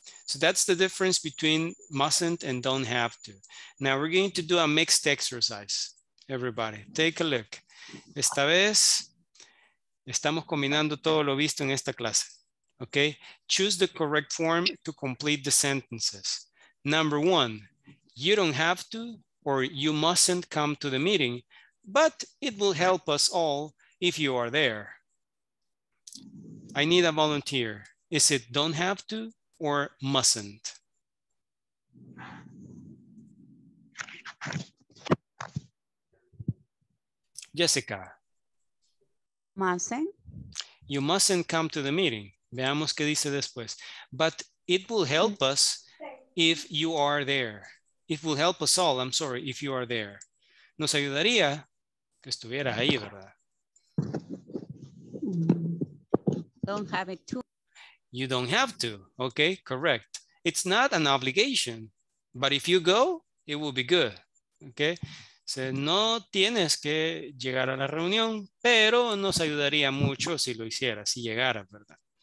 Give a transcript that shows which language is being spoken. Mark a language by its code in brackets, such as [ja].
[en] So that's the difference between mustn't and don't have to. Now we're going to do a mixed exercise. Everybody, take a look. [es] Esta vez estamos combinando todo lo visto en esta clase. [en] Okay, choose the correct form to complete the sentences. Number 1, you don't have to or you mustn't come to the meeting, but it will help us all if you are there. I need a volunteer. Is it don't have to or mustn't? Jessica. Mustn't. You mustn't come to the meeting. [es] Veamos qué dice después. [en] But it will help us if you are there. It will help us all, I'm sorry, if you are there. [es] Nos ayudaría que estuvieras ahí, ¿verdad? [en] Don't have it too. You don't have to. Okay, correct. It's not an obligation, but if you go, it will be good. Okay, [es] O sea, no tienes que llegar a la reunión, pero nos ayudaría mucho si lo hicieras, si llegara, ¿verdad?